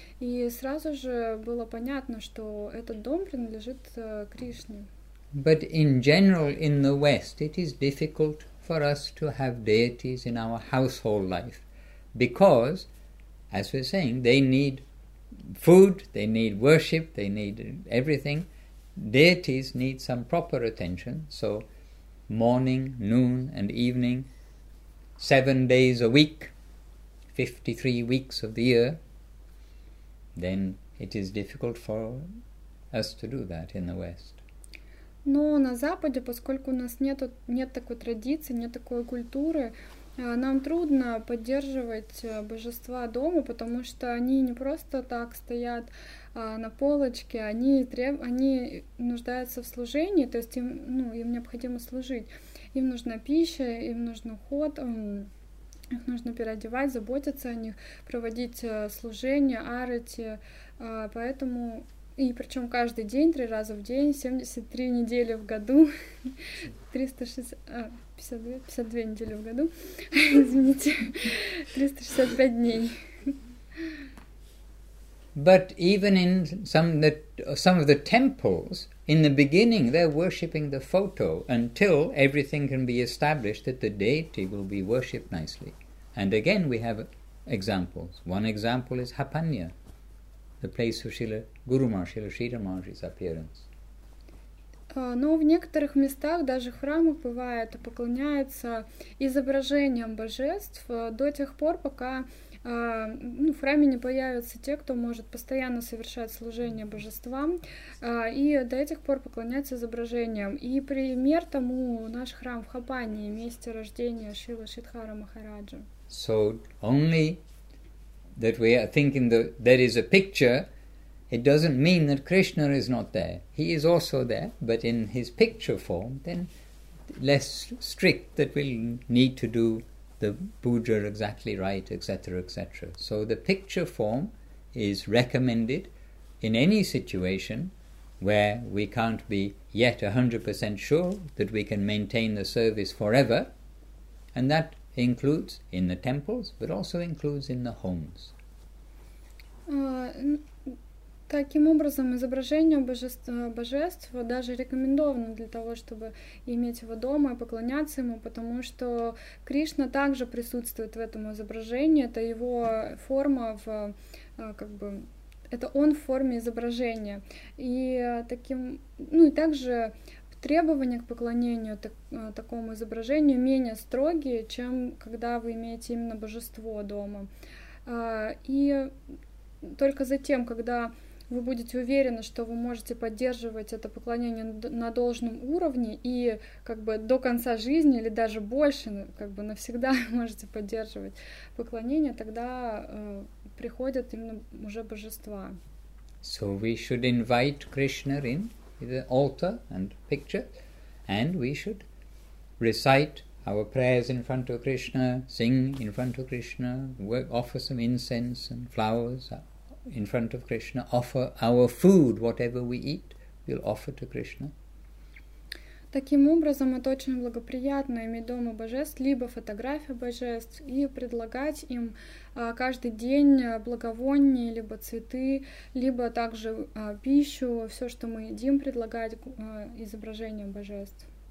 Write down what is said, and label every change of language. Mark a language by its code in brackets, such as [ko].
[ru] И сразу же было понятно, что этот дом принадлежит Кришне. [en] But in general, in the West, it is difficult for us to have deities in our household life. Because, as we're saying, they need food, they need worship, they need everything. Deities need some proper attention. So morning, noon and evening, 7 days a week, 53 weeks of the year, then it is difficult for us to do that in the West. [ru] Но на Западе, поскольку у нас нет такой традиции, нет такой культуры, нам трудно поддерживать божества дома, потому что они не просто так стоят на полочке, они нуждаются в служении, то есть им необходимо служить. Им нужна пища, им нужен уход, их нужно переодевать, заботиться о них, проводить служение, арати, поэтому... И причем каждый день, 3 раза в день, 73 недели в году, 52 недели в году, извините, 365 дней. [en] But even in some of the temples, in the beginning they're worshipping the photo until everything can be established that the deity will be worshipped nicely. And again we have examples. One example is Hapanya, the place of Srila Guru Maharaj, Srila Sridhar Maharaj's appearance. [ru] Но в некоторых местах, даже в храмах бывает, поклоняются изображениям божеств до тех пор, пока в храме не появятся те, кто может постоянно совершать служение божествам, и до этих пор поклоняются изображениям. И пример тому наш храм в Хапании, месте рождения Шрилы Шридхара Махараджа. [en] So only that we are thinking that there is a picture, it doesn't mean that Krishna is not there. He is also there, but in his picture form, then less strict that we'll need to do the puja exactly right, etc., etc. So the picture form is recommended in any situation where we can't be yet 100% sure that we can maintain the service forever, and that includes in the temples, but also includes in the homes. [ru] Таким образом, изображение божества даже рекомендовано для того, чтобы иметь его дома и поклоняться ему, потому что Кришна также присутствует в этом изображении, это его форма в, как бы, это он в форме изображения. И таким, ну и также требования к поклонению такому изображению менее строгие, чем когда вы имеете именно божество дома. И только затем, когда вы будете уверены, что вы можете поддерживать это поклонение на должном уровне и как бы до конца жизни или даже больше, как бы навсегда можете поддерживать поклонение, тогда приходят именно уже божества. [en] So we should invite Krishna in the altar and picture, and we should recite our prayers in front of Krishna, sing in front of Krishna, offer some incense and flowers in front of Krishna, offer our food, whatever we eat, we'll offer to Krishna. [ru] Таким образом, это очень благоприятно иметь дома божеств, либо фотографии божеств, и предлагать им каждый день благовония, либо цветы, либо также пищу, все, что мы едим, предлагать изображением божеств.